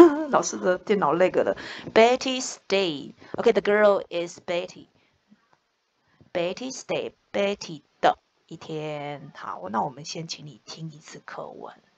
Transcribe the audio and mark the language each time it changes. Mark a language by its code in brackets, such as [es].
[zh] 老师的电脑那个的 Betty's Day. [en] Okay, the girl is Betty. [zh] Betty's Day, Betty 的一天。好，那我们先请你听一次课文。